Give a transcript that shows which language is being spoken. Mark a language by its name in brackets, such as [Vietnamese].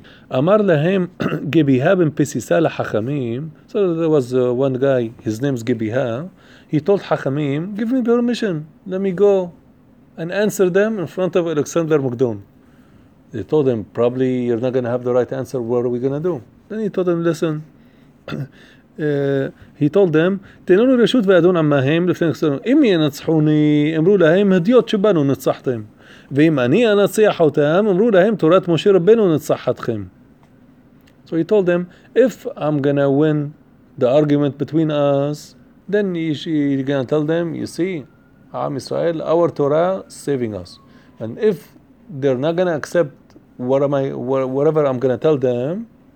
[Hebrew] Amar lahem Gibeha ben Pisisa l'chachamim. [English] So there was one guy, his name's Gibeha. He told Chachamim, give me permission. Let me go and answer them in front of Alexander Mugdon. They told him, probably you're not going to have the right answer. What are we going to do? Then he told him, listen. he told them, [Hebrew] תנו לנו רשות ואדון עמהם לפני נצחנו. אם ינצחוני, אמרו להם, הדיות שבנו נצחתם. ואם אני אנצח אותם, אמרו להם, תורת משה רבנו נצחתכם. [English] So he told them, if I'm going to win the argument between us, then he's going to tell them, you see, Am Israel, our Torah is saving us. And if they're not going to accept whatever I'm going to tell them,